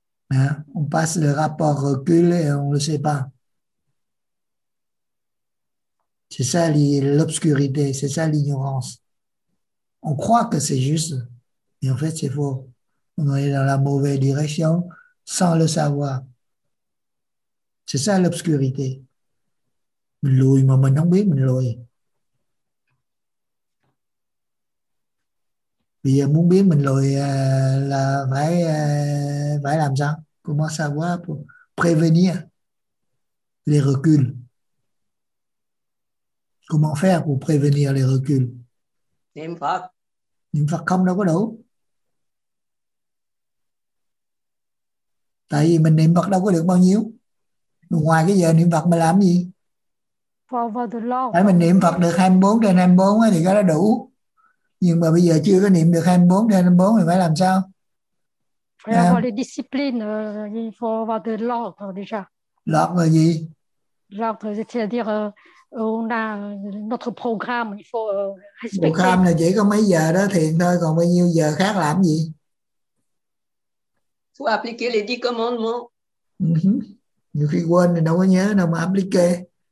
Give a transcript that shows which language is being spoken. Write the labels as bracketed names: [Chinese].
[French] Hein? On passe le rapport recul et on ne le sait pas. C'est ça l'obscurité, c'est ça l'ignorance. On croit que c'est juste, mais en fait c'est faux. On est dans la mauvaise direction sans le savoir. C'est ça l'obscurité. [Vietnamese] Bây giờ muốn biết mình lùi là phải phải làm sao? [French] Comment savoir pour prévenir les reculs? Comment faire pour prévenir les reculs? [Vietnamese] Niệm Phật. Niệm Phật không đâu có đủ. Tại vì mình niệm Phật đâu có được bao nhiêu. Ngoài cái giờ niệm Phật mình làm gì? Phải mình niệm Phật được 24 trên 24 thì cái đó đủ. Nhưng mà bây giờ chưa có niệm được 24 trên 24 thì phải làm sao? [French] Phải avoir les disciplines, il faut avoir de l'ordre déjà. [Vietnamese] L'ordre là gì? [French] L'ordre, c'est-à-dire on a notre programme, il faut respecter. [Vietnamese] Programme là chỉ có mấy giờ đó thiền thôi, còn bao nhiêu giờ khác làm gì? [French] Faut appliquer les 10 commandements. [Vietnamese] Nhiều khi quên thì đâu có nhớ đâu mà appliquer.